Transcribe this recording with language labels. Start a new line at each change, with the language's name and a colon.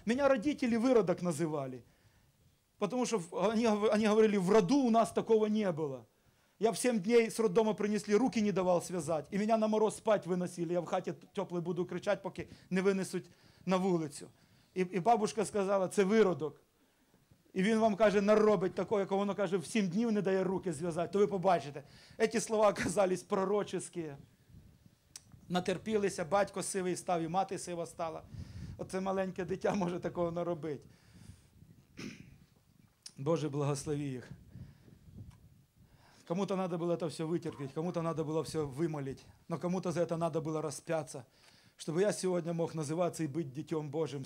Russian: Меня родители выродок называли. Потому что они говорили, в роду у нас такого не было. Я в 7 дней с роддома принесли, руки не давал связать. И меня на мороз спать выносили. Я в хате теплой буду кричать, пока не вынесут на улицу. И бабушка сказала,
Ukrainian: це виродок. И він вам каже, наробить такое, як воно каже, в 7 днів не дає руки зв'язати. То ви побачите.
Russian: Эти слова оказались пророчески.
Ukrainian: Натерпілися, батько сивий став, і мати сива стала. Оце маленьке дитя може такого наробити. Боже, благослови їх. Кому-то треба було це все витерпіти, кому-то треба було все вималити, але кому-то за це треба було розп'ятися, щоб я сьогодні мог називатися і бути дітем Божим.